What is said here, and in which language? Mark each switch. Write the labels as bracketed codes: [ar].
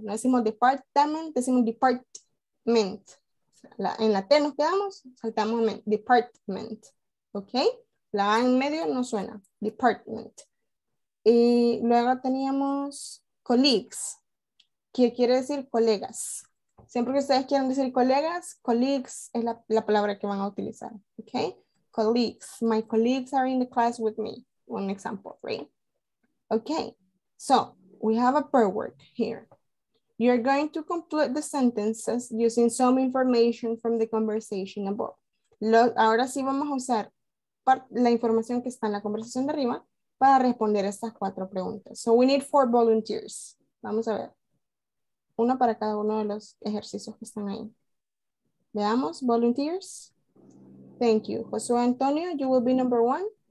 [es] No decimos department, decimos department. En la T nos quedamos, saltamos en department. ¿Ok? La A en medio no suena. Department. Y luego teníamos colleagues. ¿Qué quiere decir colegas? Siempre que ustedes quieran decir colegas, colleagues es la palabra que van a utilizar. ¿Ok? [en] colleagues. My colleagues are in the class with me. One example, right? Okay, so we have a pair work here. You're going to complete the sentences using some information from the conversation above. [es] Ahora sí vamos a usar la información que está en la conversación de arriba para responder estas cuatro preguntas. [en] So we need four volunteers. [es] Vamos a ver. Una para cada uno de los ejercicios que están ahí. [en] Veamos, volunteers. Thank you. Josué Antonio, you will be number one.